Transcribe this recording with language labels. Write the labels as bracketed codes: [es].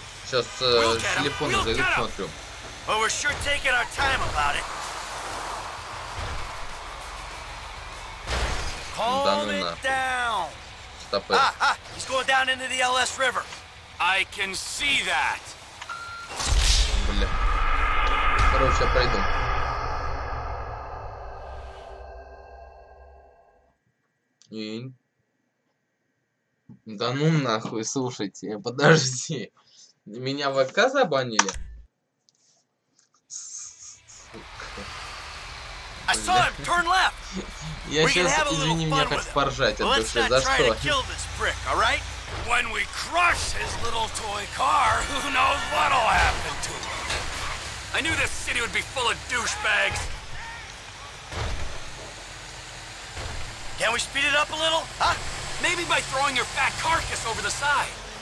[ru] Сейчас телефон зайдет, смотрю. [en] Well, we're sure taking our time about it. Calm it down. Stop it. He's going down into the LS River. I can see that. [ru] Бля. Короче, я пойду. И... Да ну нахуй, слушайте, подожди. Меня в ВК забанили? [en] I saw him, turn left. [ru] Я сейчас, извини, меня хочу поржать от души, за что? [en] Prick, right? When we crush his little toy car, who knows what'll happen to him? I knew this city would be full of douchebags. Can we speed it up a little, huh? Maybe by throwing your fat carcass over the side.